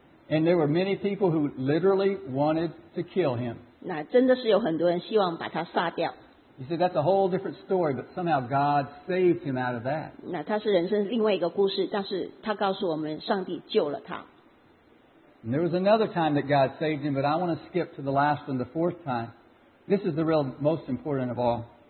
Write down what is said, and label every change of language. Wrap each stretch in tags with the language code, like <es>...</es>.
<en>And there were many people who literally wanted to kill him.</en> <zh>那真的是有很多人希望把他杀掉。</zh> <en>He said that's a whole different story, but somehow God saved him out of that.</en> <zh>那他是人生另外一个故事，但是他告诉我们上帝救了他。</zh> <en>And there was another time that God saved him, but I want to skip to the last one, the fourth time. This is the real most important of all.</en>